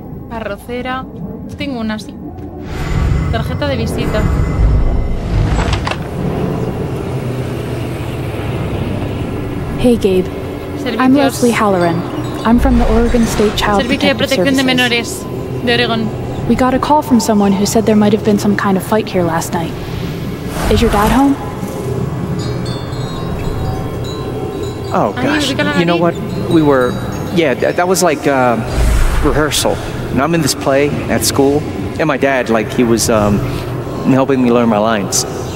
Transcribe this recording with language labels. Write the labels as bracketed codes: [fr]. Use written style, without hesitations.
[es] Arrocera. Tengo una, sí. Tarjeta de visita. [en] Hey Gabe. [es] Servicios. [en] I'm Leslie Halloran. I'm from the Oregon State Child Protection Services. [es] Servicio de protección de menores de Oregon. [en] We got a call from someone who said there might have been some kind of fight here last night. Is your dad home? Oh, gosh. You know what? We were... Yeah, that was like, rehearsal. And I'm in this play at school. And my dad, like, he was, helping me learn my lines.